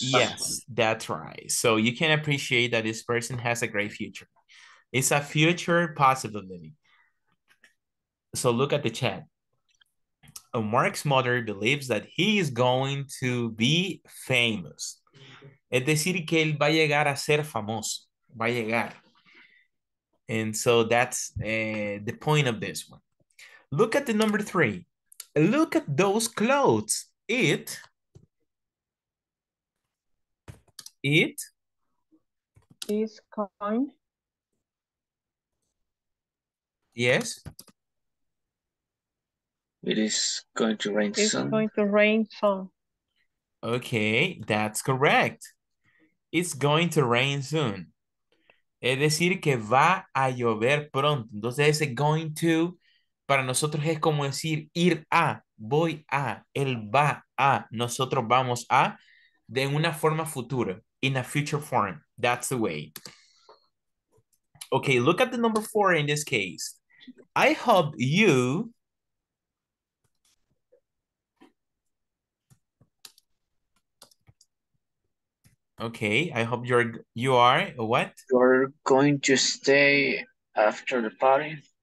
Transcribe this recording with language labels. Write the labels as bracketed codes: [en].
[en] Yes, that's right. So you can appreciate that this person has a great future. It's a future possibility. So look at the chat. Mark's mother believes that he is going to be famous. [es] Es decir, que él va a llegar a ser famoso. Va a llegar. [en] And so that's the point of this one. Look at the number three. Look at those clothes. It is kind. Yes. It is going to rain soon. It's going to rain soon. Okay, that's correct. It's going to rain soon. [es] Es decir, que va a llover pronto. Entonces, ese going to, para nosotros es como decir ir a, voy a, él va a, nosotros vamos a, de una forma futura, [en] in a future form. That's the way. Okay, look at the number four in this case. I hope you... Okay, I hope you are what? You're going to stay after the party.